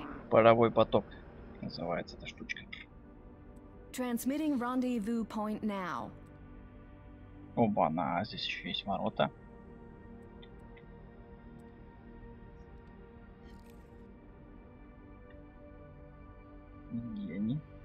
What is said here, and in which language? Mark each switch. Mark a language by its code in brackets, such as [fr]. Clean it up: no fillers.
[ru] Паровой поток называется эта штучка. [en] Transmitting rendezvous point now. [ru] Оба-на, здесь еще есть ворота. Где они?